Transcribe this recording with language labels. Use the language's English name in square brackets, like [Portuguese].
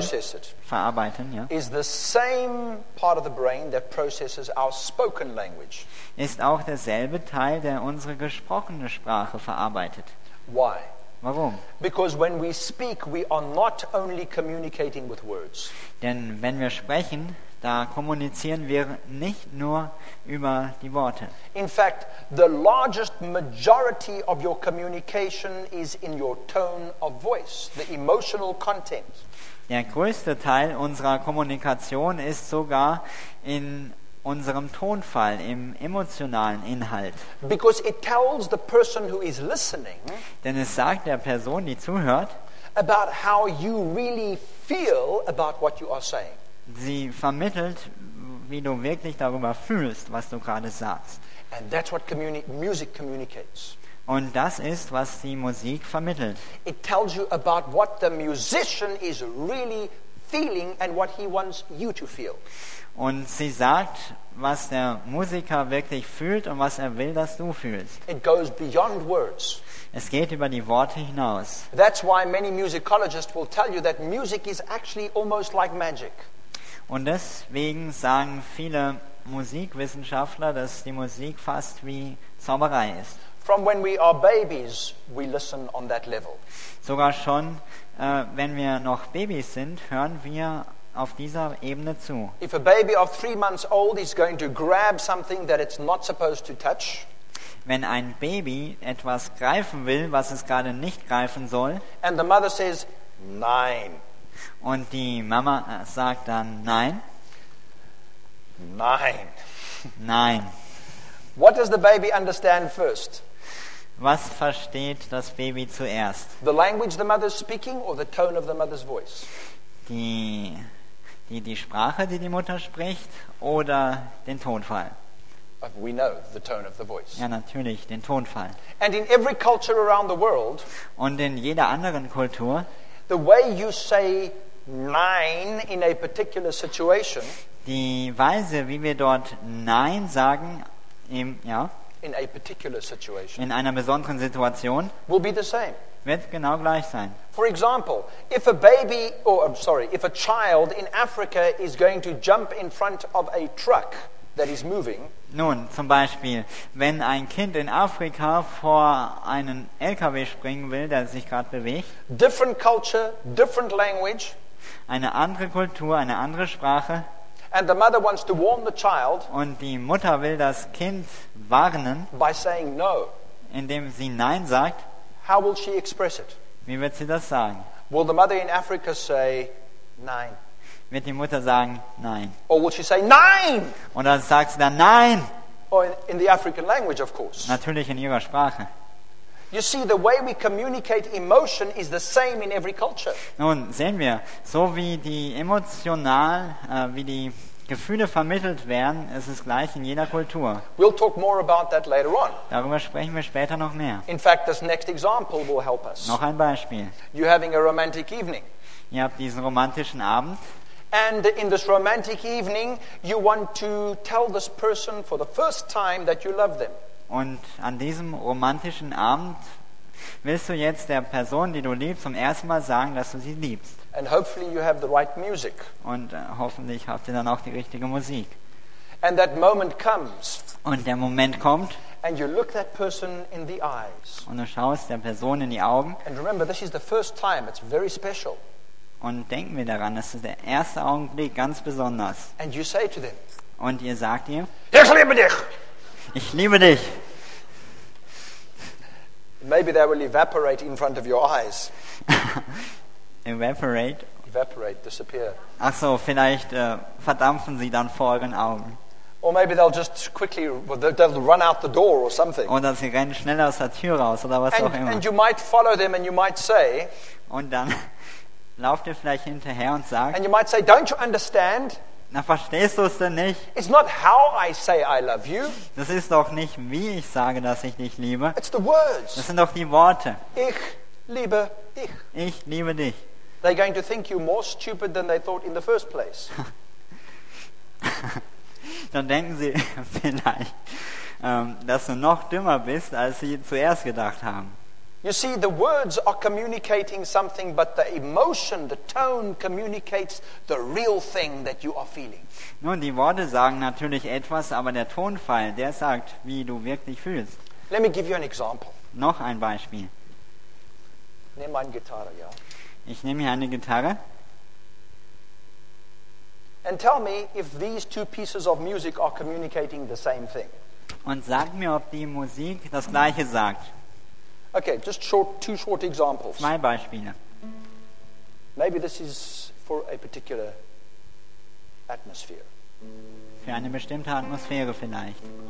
[English] to process it, is the same part of the brain that processes our spoken language. [German] Ist auch derselbe Teil, der unsere gesprochene Sprache verarbeitet. [English] Why? [German] Warum? [English] Because when we speak, we are not only communicating with words. [German] Denn wenn wir sprechen, da kommunizieren wir nicht nur über die Worte. [English] In fact, the largest majority of your communication is in your tone of voice, the emotional content. [German] Der größte Teil unserer Kommunikation ist sogar in unserem Tonfall, im emotionalen Inhalt. [English] Because it tells the person who is listening, [German] denn es sagt der Person, die zuhört, [English] about how you really feel about what you are saying. [German] Sie vermittelt, wie du wirklich darüber fühlst, was du gerade sagst. [English] And that's what music communicates. [German] Und das ist, was die Musik vermittelt. [English] It tells you about what the musician is really feeling and what he wants you to feel. [German] Und sie sagt, was der Musiker wirklich fühlt und was er will, dass du fühlst. [English] It goes beyond words. [German] Es geht über die Worte hinaus. [English] That's why many musicologists will tell you that music is actually almost like magic. [German] Und deswegen sagen viele Musikwissenschaftler, dass die Musik fast wie Zauberei ist. [English] From when we are babies, we listen on that level. [German] Sogar schon, wenn wir noch Babys sind, hören wir auf dieser Ebene zu. [English] If a baby of 3 months old is going to grab something that it's not supposed to touch, [German] wenn ein Baby etwas greifen will, was es gerade nicht greifen soll, [English] and the mother says nein, [German] und die Mama sagt dann nein, nein, nein. [English] What does the baby understand first? [German] Was versteht das Baby zuerst? [English] The language the mother is speaking or the tone of the mother's voice? [German] Die Sprache, die die Mutter spricht, oder den Tonfall? [English] We know the tone of the voice. [German] Ja, natürlich, den Tonfall. [English] And in every culture around the world, [German] und in jeder anderen Kultur, [English] the way you say nein in a particular situation, [German] die Weise, wie wir dort nein sagen, im, ja, [English] in a particular situation, [German] in einer besonderen Situation, [English] will be the same. [German] Wird genau gleich sein. [English] For example, if a baby, or I'm sorry, if a child in Africa is going to jump in front of a truck that is moving. [German] Nun, zum Beispiel, wenn ein Kind in Afrika vor einen LKW springen will, der sich gerade bewegt. [English] Different culture, different language. [German] Eine andere Kultur, eine andere Sprache. [English] And the mother wants to warn the child. [German] Und die Mutter will das Kind warnen. [English] By saying no. [German] Indem sie nein sagt. [English] How will she express it? [German] Wie wird sie das sagen? [English] Will the mother in Africa say nein? [German] Wird die Mutter sagen nein? [English] Or will she say nein? [German] Und dann sagt sie dann nein. [English] Or in the African language, of course. [German] Natürlich in ihrer Sprache. [English] You see, the way we communicate emotion is the same in every culture. [German] Nun sehen wir, so wie die emotional, wie die Gefühle vermittelt werden, ist es gleich in jeder Kultur. [English] We'll talk more about that later on. [German] Darüber sprechen wir später noch mehr. [English] In fact, this next example will help us. [German] Noch ein Beispiel. [English] You're having a romantic evening. [German] Ihr habt diesen romantischen Abend. [English] And in this romantic evening, you want to tell this person for the first time that you love them. [German] Und an diesem romantischen Abend willst du jetzt der Person, die du liebst, zum ersten Mal sagen, dass du sie liebst. [English] And hopefully you have the right music. [German] Und hoffentlich habt ihr dann auch die richtige Musik. [English] And that moment comes. [German] Und der Moment kommt. [English] And you look that person in the eyes. [German] Und du schaust der Person in die Augen. [English] And remember, this is the first time. It's very special. [German] Und denken wir daran, das ist der erste Augenblick, ganz besonders. [English] And you say to them. [German] Und ihr sagt ihr: Ich liebe dich. Ich liebe dich. [English] Maybe they will evaporate in front of your eyes. Evaporate. Evaporate, disappear. [German] Ach so, vielleicht verdampfen sie dann vor euren Augen. [English] Or maybe they'll just quickly they'll run out the door or something. [German] Oder sie rennen schnell aus der Tür raus oder was [English] and, [German] auch immer. [English] And you might follow them and you might say. [German] Und dann lauft ihr vielleicht hinterher und sagt. [English] And you might say, don't you understand? [German] Na, verstehst du es denn nicht? [English] It's not how I say I love you. [German] Das ist doch nicht, wie ich sage, dass ich dich liebe. [English] It's the words. [German] Das sind doch die Worte. Ich liebe dich. Ich liebe dich. [English] They're going to think you more stupid than they thought in the first place. [German] Dann denken sie vielleicht, dass du noch dümmer bist, als sie zuerst gedacht haben. [English] You see, the words are communicating something, but the emotion, the tone, communicates the real thing that you are feeling. [German] Nun, die Worte sagen natürlich etwas, aber der Tonfall, der sagt, wie du wirklich fühlst. [English] Let me give you an example. [German] Noch ein Beispiel. Nimm meine Gitarre, ja. Ich nehme hier eine Gitarre. [English] And tell me if these two pieces of music are communicating the same thing. [German] Und sag mir, ob die Musik das Gleiche sagt. [English] Okay, just two short examples. [German] Zwei Beispiele. [English] Maybe this is for a particular atmosphere. [German] Für eine bestimmte Atmosphäre vielleicht.